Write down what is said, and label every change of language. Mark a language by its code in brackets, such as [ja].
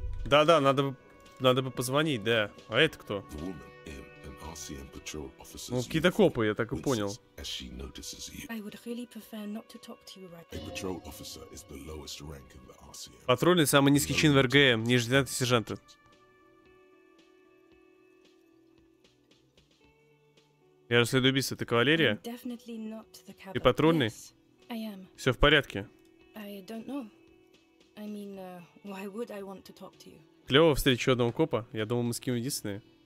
[ru] Да-да, надо бы позвонить, да. А это кто? [en] The woman and an RCM patrol officer... [ru] Ну, какие-то копы, я так и понял. [en] ...as she notices you. I would really prefer not to talk to you right now. A patrol officer is the lowest rank in the RCM. [ru] Патрульный самый низкий чин в РГМ, ниже 19 сержанта. Я расследую убийство. Ты кавалерия? Ты патрульный? [en] Yes, I am. [ru] Все в порядке? [en] I mean, why would I want to talk to you? [ru] Клево встретить еще одного копа. Я думал, мы с кем единственные.